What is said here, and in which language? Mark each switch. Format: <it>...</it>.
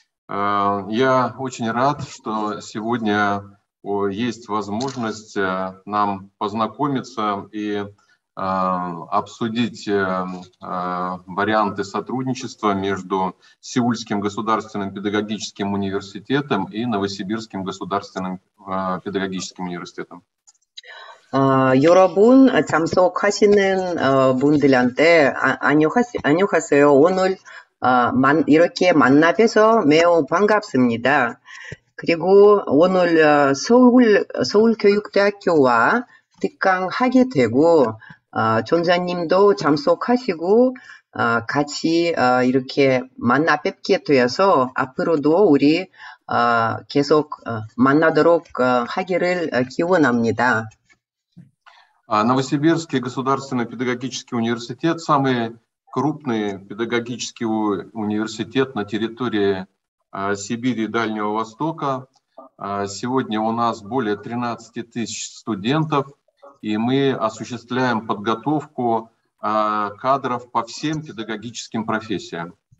<ru>Я очень рад, что сегодня есть возможность нам познакомиться и обсудить варианты сотрудничества между Сеульским государственным педагогическим университетом и Новосибирским государственным педагогическим университетом.</ru> <ko>여러분 참석하시는 분들한테 안녕하세요. 오늘 이렇게 만나서 매우 반갑습니다. 그리고 오늘 서울교육대학교와 특강하게 되고 존자님도 참석하시고 같이 이렇게 만나 뵙게 되어서 앞으로도 우리 계속 만나도록 하기를 기원합니다.</ko> <ru>Новосибирский государственный педагогический университет – самый крупный педагогический университет на территории Сибири и Дальнего Востока. Сегодня у нас более 13 тысяч студентов. и мы осуществляем подготовку кадров по всем педагогическим профессиям.</ru>